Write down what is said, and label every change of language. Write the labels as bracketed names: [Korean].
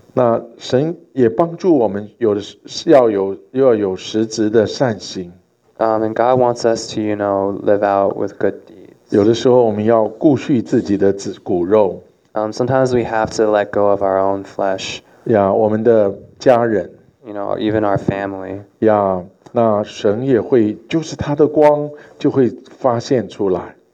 [Chinese] 那神也帮助我们有要有要有实质的善行。 [English] And God wants us to, you know, live out with good deeds. [Chinese] 有的时候我们要顾恤自己的骨肉。 [English] Sometimes we have to let go of our own flesh. [Chinese] 呀，我们的家人。 [English] You know, even our family. 呀。 [Chinese] 那神也会，就是他的光就会发现出来。